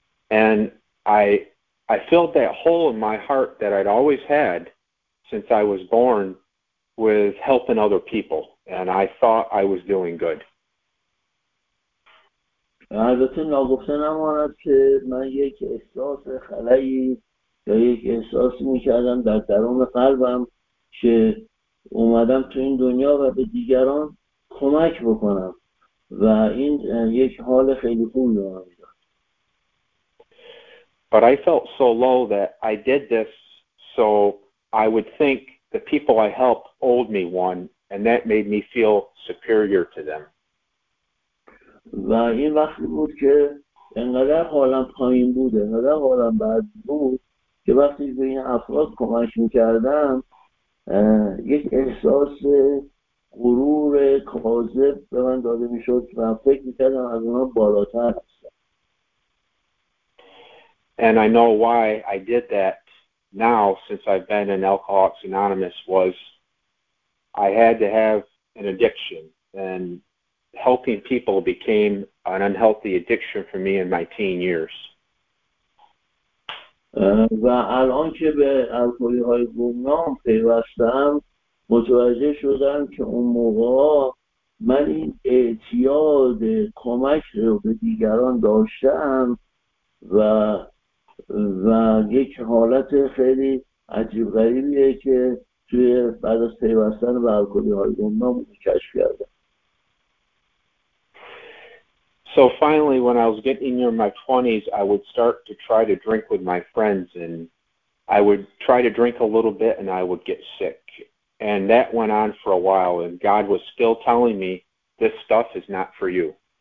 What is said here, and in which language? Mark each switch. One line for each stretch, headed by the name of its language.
English: And I filled that hole in my heart that I'd always had since I was born with helping other people and I thought I was doing good.
Persian: البته نگفته نماند که من یک احساس خلایی یا یک احساس میکردم در درون قلبم که اومدم تو این دنیا و به دیگران کمک بکنم و این یک حال خیلی خوبی به من میداد.
English: But I felt so low that I did this so I would think the people I helped owed me one and that made me feel superior to them.
Persian: و این وقتی بود که انقدر حالم پایین بود، انقدر حالم بد بود که وقتی به این افراد کمک میکردم یک احساس غرور کاذب به من داده میشد و فکر میکردم از اونا بالاتر هستم.
English: And I know why I did that now since I've been in Alcoholics Anonymous was I had to have an addiction and helping people became an unhealthy addiction for me in my teen years.
Persian: و الان که به الکلی های گمنام پیوستم متوجه شدم که اون موقع من این اعتیاد کمک رو به دیگران داشتم و و یک حالت خیلی عجیب غریبیه که توی بعد از پیوستن به الکلی های گندم کشف کردم.
English: So finally, when I was getting near my 20s, I would start to try to drink with my friends, and I would try to drink a little bit, and I would get sick. And that went on for a while, and God was still telling me, this stuff is not for you.